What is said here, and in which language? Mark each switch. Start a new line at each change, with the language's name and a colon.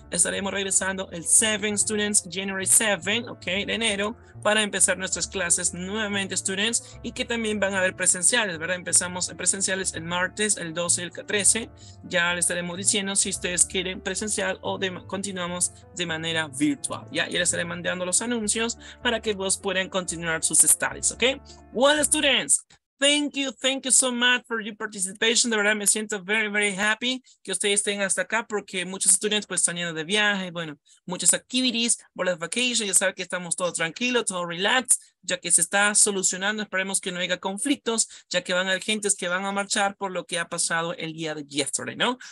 Spanish: Estaremos regresando el 7, students, January 7, ok, de enero, para empezar nuestras clases nuevamente, students, y que también van a haber presenciales, ¿verdad? Empezamos presenciales el martes, el 12 y el 13. Ya les estaremos diciendo si ustedes quieren presencial o continuamos de manera virtual, ¿ya? Y les estaré mandando los anuncios para que vos puedan continuar sus studies, ok.
English: Well, students, thank you so much for your participation.
Spanish: De verdad, me siento
English: very, very happy
Spanish: que ustedes estén hasta acá, porque muchos estudiantes pues están yendo de viaje, bueno, muchas activities por las vacaciones. Ya saben que estamos todos tranquilos, todo relax, ya que se está solucionando. Esperemos que no haya conflictos, ya que van a haber gentes que van a marchar por lo que ha pasado el día de yesterday, ¿no?